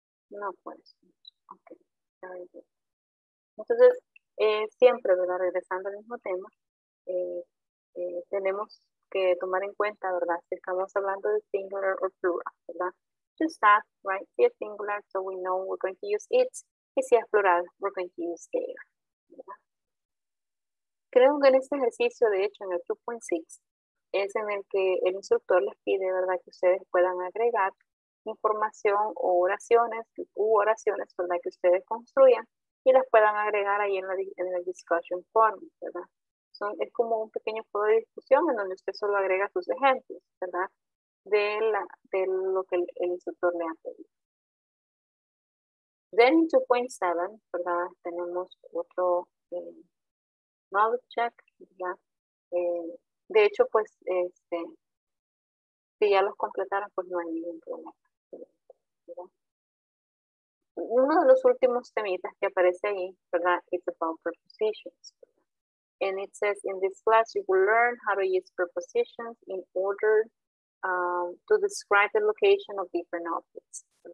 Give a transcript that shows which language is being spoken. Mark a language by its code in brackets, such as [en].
[es] No, pues. Ok. Entonces, siempre, ¿verdad? Regresando al mismo tema, tenemos que tomar en cuenta, ¿verdad? Si estamos hablando de singular o plural, ¿verdad? [en] Just that, right? [es] Si es singular, [en] so we know we're going to use it. [es] Y si es plural, [en] we're going to use they, [es] ¿verdad? Creo que en este ejercicio, de hecho, en el 2.6, es en el que el instructor les pide, ¿verdad? Que ustedes puedan agregar información o oraciones, u oraciones, ¿verdad? Que ustedes construyan y las puedan agregar ahí en la, discussion form, ¿verdad? Es como un pequeño foro de discusión en donde usted solo agrega sus ejemplos, ¿verdad? De, lo que el instructor le ha pedido. [en] Then in 2.7, [es] ¿verdad? Tenemos otro knowledge check, ¿verdad? De hecho, pues, si ya los completaron, pues no hay ningún problema, ¿verdad? Uno de los últimos temitas que aparece ahí, ¿verdad? [en] It's about prepositions, [es] ¿verdad? [en] And it says, in this class, you will learn how to use prepositions in order to describe the location of different objects.